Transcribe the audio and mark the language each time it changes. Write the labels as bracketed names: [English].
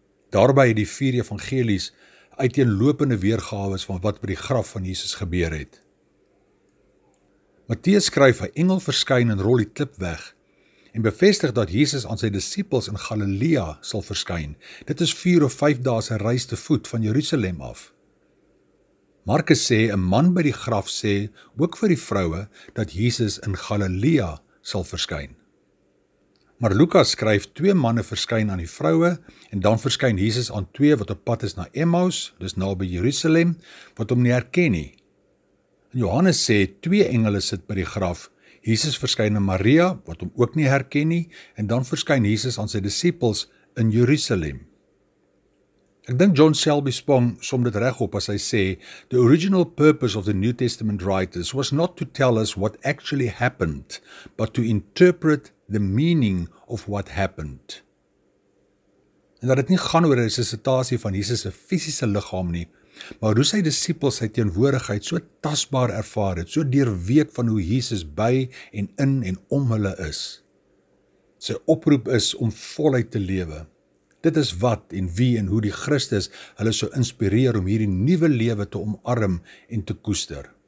[Afrikaans] Daarby het die vier evangelies uiteenlopende weergawes van wat by die graf van Jesus gebeur het. Matteus skryf, 'n engel verskyn en rol die klip weg en bevestig dat Jesus aan sy disippels in Galilea sal verskyn. Dit is 4 of 5 dae se reis te voet van Jerusalem af. Markus sê, 'n man by die graf sê ook vir die vroue dat Jesus in Galilea sal verskyn. Maar Lukas skryf, 2 manne verskyn aan die vroue en dan verskyn Jesus aan 2 wat op pad is na Emmaus, dis naby Jerusalem, wat hom nie herken nie. En Johannes sê, 2 engele sit by die graf. Jesus verskyn aan Maria, wat hom ook nie herken nie, en dan verskyn Jesus aan sy disippels in Jerusalem. Ek dink John Selby Spong som dit reg op as hy sê, [English] "The original purpose of the New Testament writers was not to tell us what actually happened, but to interpret the meaning of what happened." [Afrikaans] En dat dit nie gaan oor 'n resuscitasie van Jesus se fisiese liggaam nie, maar hoe sy disippels sy teenwoordigheid so tasbaar ervaar het, so deurweek van hoe Jesus by en in en om hulle is. Sy oproep is om voluit te lewe. Dit is wat en wie en hoe die Christus hulle so inspireer om hierdie nuwe lewe te omarm en te koester.